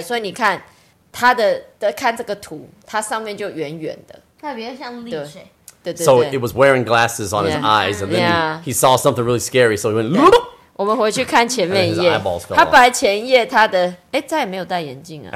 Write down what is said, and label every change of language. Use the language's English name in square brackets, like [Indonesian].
[Chinese] 所以你看它的看这个图，它上面就圆圆的，它比较像 leech 对。 [English] So it was wearing glasses on his eyes, and then he saw something really scary. So he went. [Chinese] 我们回去看前面一页。他本来前一页他的再也没有戴眼镜啊。